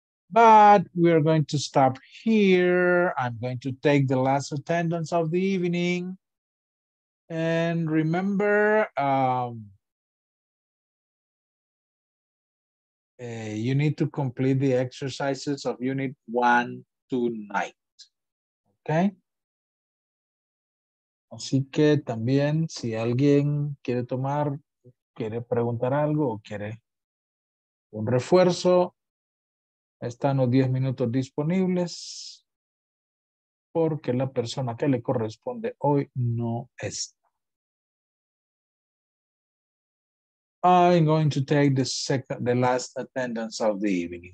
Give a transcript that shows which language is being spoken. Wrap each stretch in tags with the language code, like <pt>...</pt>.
<en>But we are going to stop here. I'm going to take the last attendance of the evening. And remember, you need to complete the exercises of unit 1 tonight. Okay?</en> <es>Así que también, si alguien quiere tomar, quiere preguntar algo o quiere un refuerzo, están los 10 minutos disponibles porque la persona que le corresponde hoy no está.</es> <en>I'm going to take the last attendance of the evening.</en>